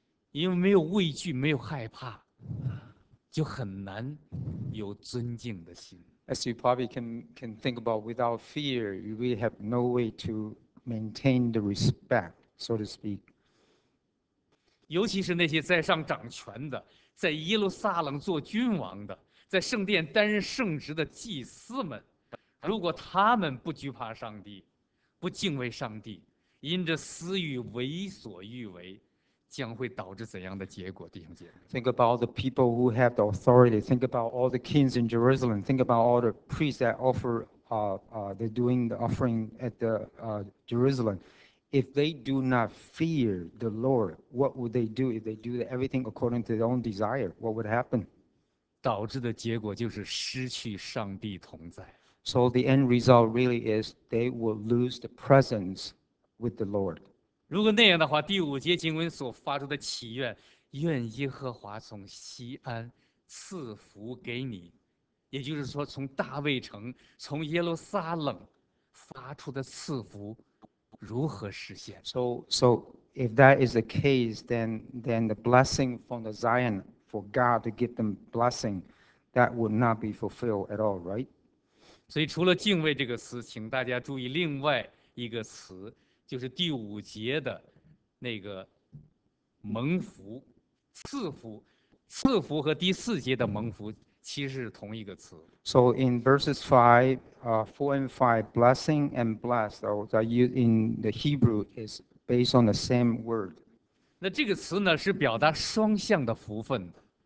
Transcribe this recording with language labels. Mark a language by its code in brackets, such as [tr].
[zh] 因为没有畏惧，没有害怕。就很难有尊敬的心。 [en] As you probably can think about, without fear, you really have no way to maintain the respect, so to speak. [zh] 尤其是那些在上掌权的，在耶路撒冷做君王的，在圣殿担任圣职的祭司们，如果他们不惧怕上帝，不敬畏上帝，因着私欲为所欲为，将会导致怎样的结果，弟兄姐妹？ [en] Think about the people who have the authority. Think about all the kings in Jerusalem. Think about all the priests that offer, they're doing the offering at the Jerusalem. If they do not fear the Lord, what would they do? If they do everything according to their own desire, what would happen? [zh] 导致的结果就是失去上帝同在。 [en] So the end result really is they will lose the presence with the Lord. [zh] 如果那样的话，第五节经文所发出的祈愿，愿耶和华从锡安赐福给你，也就是说，从大卫城、从耶路撒冷发出的赐福，如何实现 [en] ？So if that is the case, then the blessing from the Zion for God to give them blessing, that would not be fulfilled at all, right? [zh] 所以除了敬畏这个词，请大家注意另外一个词，就是第五节的那个蒙福、赐福、赐福和第四节的蒙福其实是同一个词。 [en] So in verses 4 and 5, blessing and blessed, or that used in the Hebrew, is based on the same word. [zh] 那这个词呢，是表达双向的福分的。